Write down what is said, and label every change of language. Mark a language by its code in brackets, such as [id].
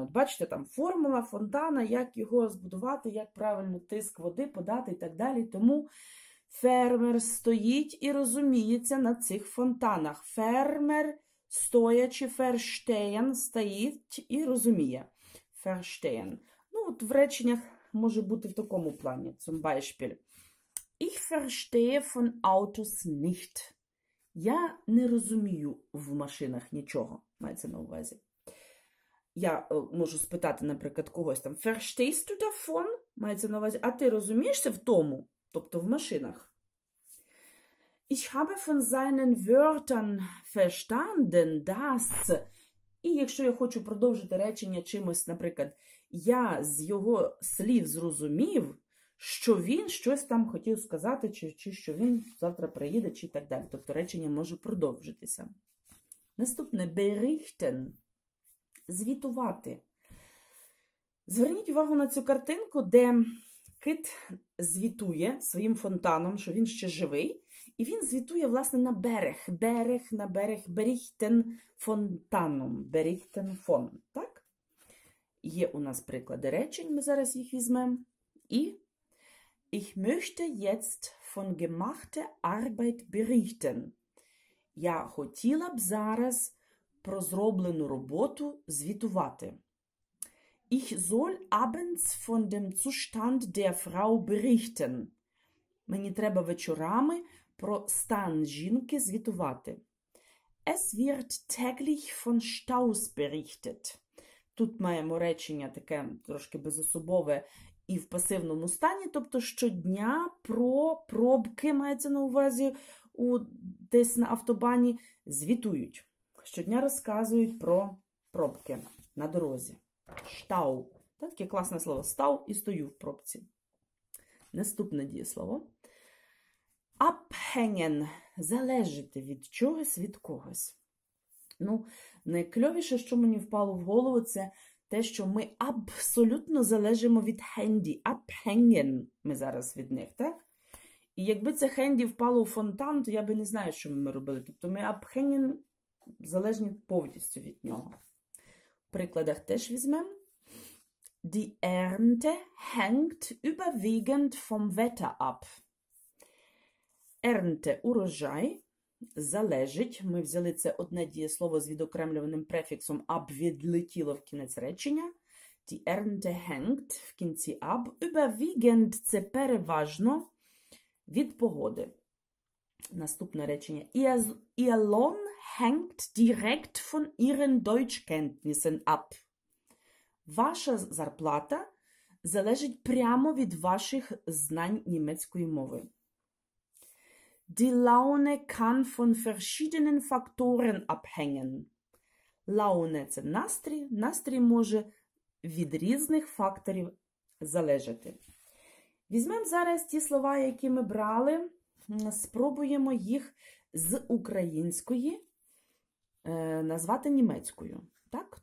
[uk] От бачите, там формула фонтана, як його збудувати, як правильно тиск води подати і так далі. Тому фермер стоїть і розуміється на цих фонтанах. Фермер стоячи ферштейн стоїть і розуміє. [de] verstehen. [uk] Ну, от в реченнях може бути в такому плані. [de] Zum Beispiel. Ich verstehe von Autos nicht. [uk] Я не розумію в машинах нічого. Мається на увазі. Я можу спитати, наприклад, когось там. [de] Verstehst du davon? [uk] Мається на увазі. А ти розумієшся в тому? Тобто в машинах. [de] Ich habe von seinen Wörtern verstanden, dass... [uk] І якщо я хочу продовжити речення чимось, наприклад, я з його слів зрозумів, що він щось там хотів сказати, чи що він завтра приїде, чи так далі. Тобто речення може продовжитися. Наступне – berichten. Звітувати. Зверніть увагу на цю картинку, де кит звітує своїм фонтаном, що він ще живий. І він звітує, власне, на берег. Берег, на берег. Berichten фонтаном. [de] Berichten von. [uk] Так? Є у нас приклади речень. Ми зараз їх візьмемо. [de] І Ich möchte jetzt von gemachter Arbeit berichten. [uk] Я хотіла б зараз про зроблену роботу звітувати. [de] Ich soll abends von dem Zustand der Frau berichten. [uk] Мені треба вечорами про стан жінки звітувати. [de] Es wird täglich von Staus berichtet. [uk] Тут маємо речення таке трошки безособове і в пасивному стані, тобто щодня про пробки, мається на увазі, у десь на автобані звітують. Щодня розказують про пробки на дорозі. Штау. Таке класне слово. Став і стою в пробці. Наступне дієслово. Abhängen. Залежати від чогось, від когось. Ну, найкльовіше, що мені впало в голову, це те, що ми абсолютно залежимо від хенді. Abhängen ми зараз від них, так? І якби це хенді впало у фонтан, то я би не знаю, що ми робили. Тобто ми abhängen залежні повністю від нього. В прикладах теж візьмемо. [de] Die Ernte hängt überwiegend vom Wetter ab. [uk] Ернте – урожай, залежить. Ми взяли це одне дієслово з відокремлюваним префіксом «аб» відлетіло в кінець речення. [de] Die Ernte hängt [uk] в кінці «аб». Überwiegend – це переважно від погоди. Наступне речення. [de] Ihr Lohn hängt direkt von ihren Deutschkenntnissen ab. [uk] Ваша зарплата залежить прямо від ваших знань німецької мови. [de] Die Laune kann von verschiedenen Faktoren abhängen. [uk] Laune – це настрій. Настрій може від різних факторів залежати. Візьмемо зараз ті слова, які ми брали. Спробуємо їх з української назвати німецькою. Так?